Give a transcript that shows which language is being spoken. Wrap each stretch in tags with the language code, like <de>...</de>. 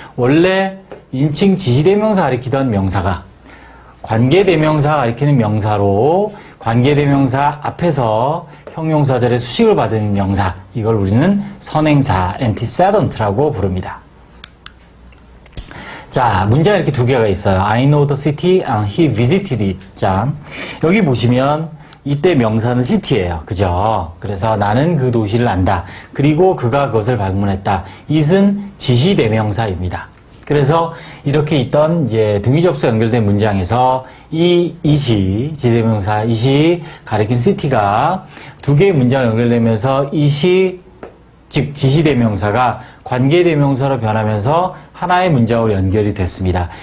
<ko>원래 인칭 지시대명사 가리키던 명사가 관계대명사 가리키는 명사로 관계대명사 앞에서 형용사절에 수식을 받은 명사. 이걸 우리는 선행사, antecedent라고 부릅니다. 자, 문장 이렇게 두 개가 있어요.</ko> <en>I know the city and he visited it.</en> <ko>자, 여기 보시면 이때 명사는 city예요. 그죠? 그래서 나는 그 도시를 안다. 그리고 그가 그것을 방문했다. It은 지시대명사입니다. 그래서 이렇게 있던 이제 등위접속 연결된 문장에서 이 it이 지시대명사, it이 가리킨 city가 두 개의 문장을 연결되면서 it이 즉 지시대명사가 관계대명사로 변하면서 하나의 문장으로 연결이 됐습니다.</ko>